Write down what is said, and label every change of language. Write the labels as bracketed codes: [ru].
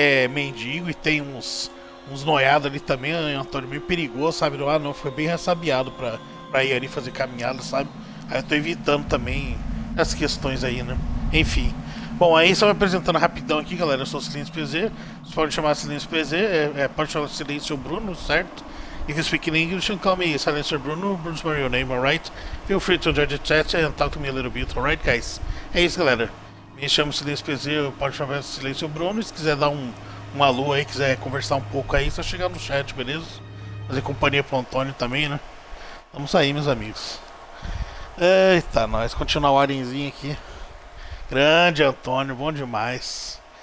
[pt] mendigo e tem uns noiados ali também, Antônio, meio perigoso, sabe? Ah, não, foi bem ressabiado pra ir ali fazer caminhada, sabe? Aí eu tô evitando também as questões aí, né? Enfim. Bom, aí só me apresentando rapidão aqui, galera. Eu sou o Silêncio PZ. Vocês podem chamar Silêncio PZ, pode chamar Silêncio Bruno, certo? [en] If you speak in English, you can call me Silêncio Bruno, Bruno's my real name, alright? Feel free to join the chat and talk to me a little bit, alright, guys? [pt] É isso, galera. Me chamo Silêncio PZ, pode chamar Silêncio Bruno. Se quiser dar um alô aí, quiser conversar um pouco aí, só chegar no chat, beleza? Fazer companhia pro Antônio também, né? Vamos aí, meus amigos. Eita, nós continuar o arenzinho aqui. Grande Antônio, bom demais.